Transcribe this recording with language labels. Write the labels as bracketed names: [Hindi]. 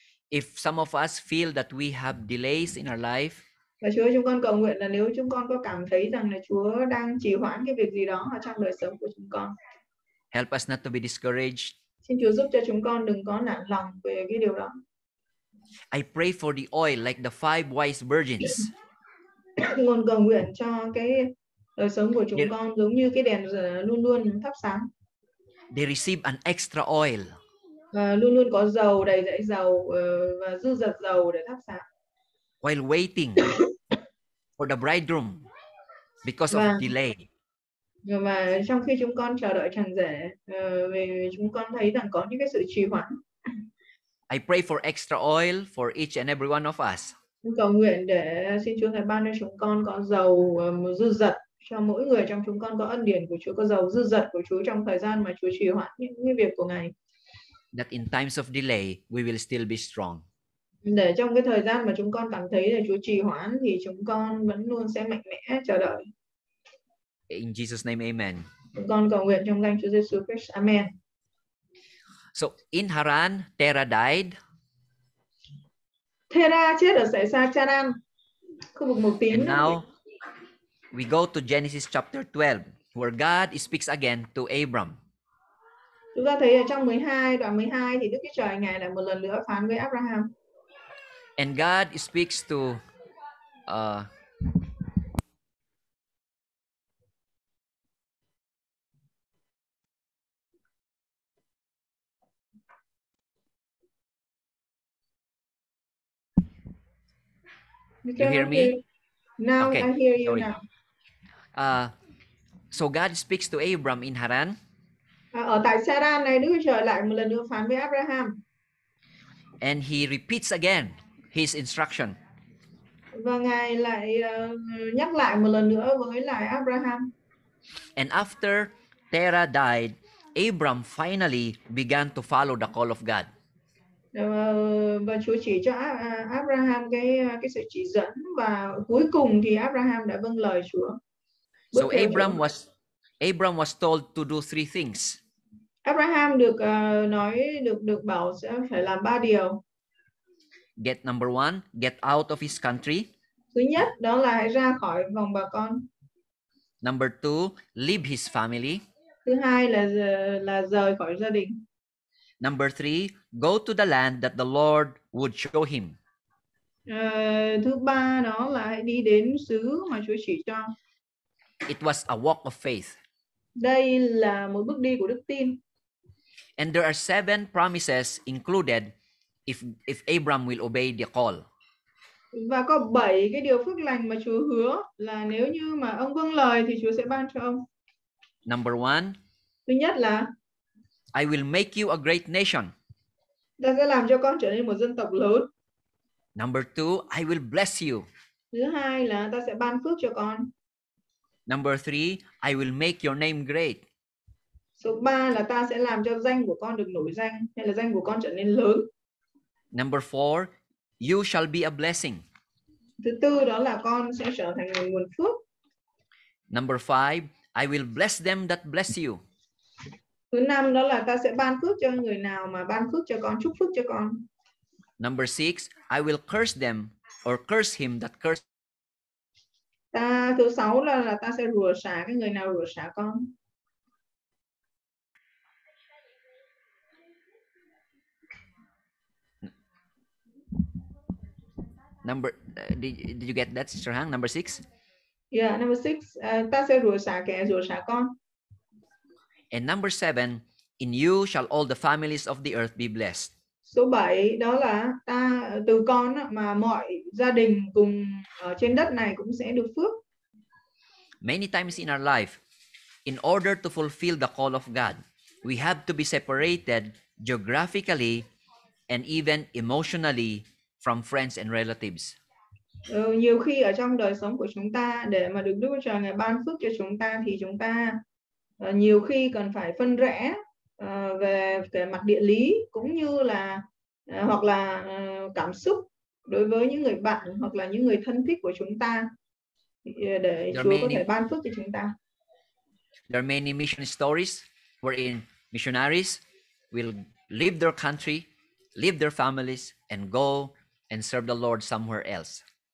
[English] If some of us feel that we have delays in our life, [Vietnamese] và Chúa, chúng con cầu nguyện là nếu chúng con có cảm thấy rằng là Chúa đang trì hoãn cái việc gì đó ở trong đời sống của chúng con. [English] Help us not to be discouraged. [Vietnamese] Xin Chúa giúp cho chúng con đừng có nản lòng về cái điều đó. [English] I pray for the oil like the five wise virgins. [Vietnamese] Con cầu nguyện cho cái đời sống của chúng con giống như cái đèn luôn luôn thắp sáng. [English] They receive an extra oil. [Vietnamese] Luôn luôn có dầu, đầy dãy dầu và dư dật dầu để thắp sáng. [English] While waiting for the bridegroom because of delay. [Vietnamese] Và trong khi chúng con chờ đợi chàng rể, vì chúng con thấy rằng có những cái sự trì hoãn. [English] I pray for extra oil for each and every one of us. [Vietnamese] Cầu nguyện để xin Chúa ngài ban cho chúng con có dầu dư dật cho mỗi người trong chúng con có ân điển của Chúa, có dầu dư dật của Chúa trong thời gian mà Chúa trì hoãn những việc của ngài. [English] That in times of delay we will still be strong. [Vietnamese] Để trong cái thời gian mà chúng con cảm thấy là Chúa trì hoãn thì chúng con vẫn luôn sẽ mạnh mẽ chờ đợi. [English] In Jesus name, amen. [Vietnamese] Chúng con cầu nguyện trong danh Chúa Jesus Christ, amen. [English] So in Haran, Terah died. [Vietnamese] Terah chết ở xảy xa Charan, khu vực Mục Tín. [English] And now we go to Genesis chapter 12, where God speaks again to Abram. [Vietnamese] Chúng ta thấy ở trong 12, đoạn 12 thì Đức Chúa Trời ngài lại một lần nữa phán với Abraham. [English] And God speaks to you hear me? Now okay. I hear you. Sorry. Now. So God speaks to Abram in Haran. [Vietnamese] Ở tại Haran này Đức Chúa Trời lại một lần nữa phán với Abraham. [English] And he repeats again his instruction. [Vietnamese] Và ngài lại nhắc lại một lần nữa với lại Abraham. [English] And after Terah died, Abram finally began to follow the call of God. [Vietnamese] Và Chúa chỉ cho Abraham cái sự chỉ dẫn và cuối cùng thì Abraham đã vâng lời Chúa. [English] So Abram was told to do three things. [Vietnamese] Abraham được nói được bảo sẽ phải làm ba điều. [English] Get number one, get out of his country. [Vietnamese] Thứ nhất, đó là hãy ra khỏi vòng bà con. [English] Number two, leave his family. [Vietnamese] Thứ hai là rời khỏi gia đình. [English] Number three, go to the land that the Lord would show him. [Vietnamese] Thứ ba, đó là hãy đi đến xứ mà Chúa chỉ cho. [English] It was a walk of faith. [Vietnamese] Đây là một bước đi của đức tin. [English] And there are seven promises included if Abram will obey the call. [Vietnamese] Và có 7 cái điều phước lành mà Chúa hứa là nếu như mà ông vâng lời thì Chúa sẽ ban cho ông. [English] Number 1, [Vietnamese] Thứ nhất là [English] I will make you a great nation. [Vietnamese] Ta sẽ làm cho con trở nên một dân tộc lớn. [English] Number two, I will bless you. [Vietnamese] Thứ hai là ta sẽ ban phước cho con. [English] Number three, I will make your name great. [Vietnamese] Số 3 là ta sẽ làm cho danh của con được nổi danh, hay là danh của con trở nên lớn. [English] Number 4, you shall be a blessing. [Vietnamese] Thứ 4 đó là con sẽ trở thành một nguồn phước. [English] Number 5, I will bless them that bless you. [Vietnamese] Thứ 5 đó là ta sẽ ban phước cho người nào mà ban phước cho con, chúc phước cho con. [English] Number 6, I will curse them or curse him that curse. [Vietnamese] Thứ 6 là ta sẽ rủa sả cái người nào rủa sả con. [English] Number did you get that, Sister Hang? Number 6? Yeah, number 6. [Vietnamese] Ta sẽ rủa sả kẻ rủa sả con. [English] And number 7, in you shall all the families of the earth be blessed. [Vietnamese] Số 7 đó là ta từ con mà mọi gia đình cùng ở trên đất này cũng sẽ được phước. [English] Many times in our life, in order to fulfill the call of God, we have to be separated geographically and even emotionally from friends and relatives. [Vietnamese] Nhiều khi ở trong đời sống của chúng ta để mà được Đức Chúa Trời ngài ban phước cho chúng ta thì chúng ta nhiều khi cần phải phân rẽ về mặt địa lý cũng như là hoặc là cảm xúc đối với những người bạn hoặc là những người thân thiết của chúng ta để Chúa có thể ban phước cho chúng ta. [English] There are many mission stories wherein missionaries will leave their country, leave their families and go and serve the Lord somewhere else.